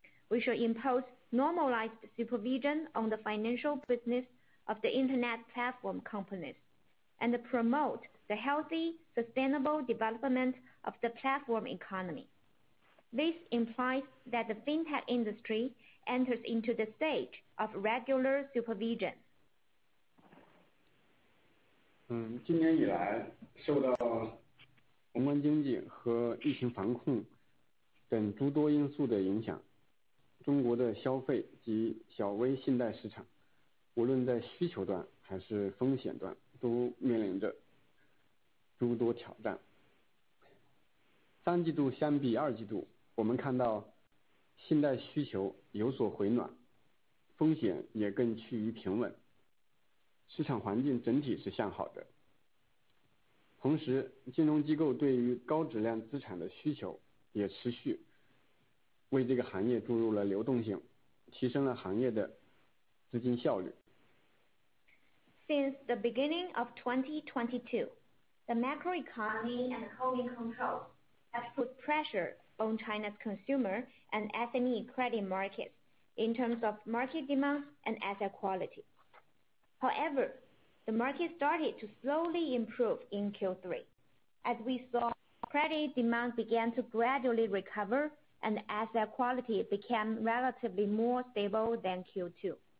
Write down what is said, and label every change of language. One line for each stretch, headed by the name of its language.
English: We should impose normalized supervision on the financial business of the internet platform companies and promote the healthy, sustainable development of the platform economy." This implies that the fintech industry enters into the stage of regular supervision.
Chinese: 今年以来，受到宏观经济和疫情防控等诸多因素的影响，中国的消费及小微信贷市场，无论在需求端还是风险端，都面临着诸多挑战。三季度相比二季度，我们看到信贷需求有所回暖，风险也更趋于平稳，市场环境整体是向好的。同时，金融机构对于高质量资产的需求也持续为这个行业注入了流动性，提升了行业的资金效率。
English: Since the beginning of 2022, the macroeconomy and COVID controls have put pressure on China's consumer and SME credit markets in terms of market demand and asset quality. However, the market started to slowly improve in Q3, as we saw credit demand began to gradually recover and asset quality became relatively more stable than Q2.